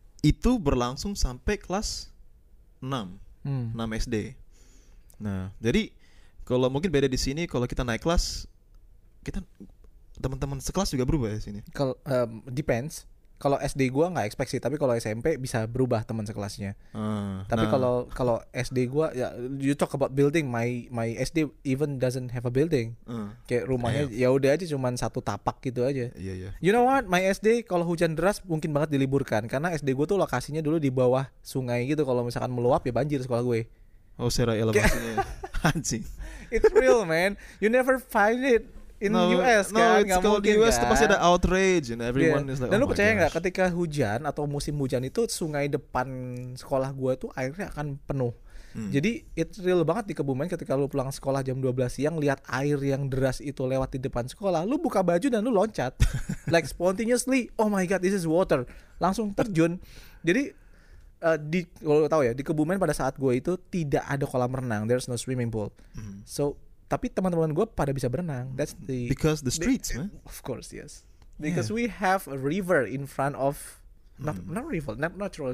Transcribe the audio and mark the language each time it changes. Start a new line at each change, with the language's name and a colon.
Indonesian: Itu berlangsung sampai kelas 6 SD. Nah, jadi kalau mungkin beda di sini kalau kita naik kelas kita teman-teman sekelas juga berubah ya sini. Kalau depends. Kalau SD gua enggak ekspektasi, tapi kalau SMP bisa berubah teman sekelasnya. Tapi kalau SD gua ya
English: you talk about building my SD even doesn't have a building.
Indonesian: Kayak rumahnya ya udah aja cuman satu tapak gitu aja.
English: You know what? My SD
Indonesian: kalau hujan deras mungkin banget diliburkan karena SD gua tuh lokasinya dulu di bawah sungai gitu, kalau misalkan meluap ya banjir sekolah gue. Oh, secara elevasinya. Anjing.
English: It's real, man. You never find it in the US
Indonesian: kan, nggak mungkin
English: US
Indonesian: kan? Pasti ada
English: outrage and everyone is like.
Indonesian: Dan oh lu percaya nggak ketika hujan atau musim hujan itu sungai depan sekolah gua tuh airnya akan penuh. Jadi
English: it real
Indonesian: banget di Kebumen ketika lu pulang sekolah jam 12 siang lihat air yang deras itu lewat di depan sekolah, lu buka baju dan lu loncat
English: like spontaneously. Oh my god, this is water.
Indonesian: Langsung terjun. Jadi di kalau lu tahu ya di Kebumen pada saat gua itu tidak ada kolam renang.
English: There's no swimming pool.
Indonesian: So tapi teman-teman gue pada bisa berenang.
English: That's the because the streets, man. Of course, yes. Because we have a river in front of not river, not natural.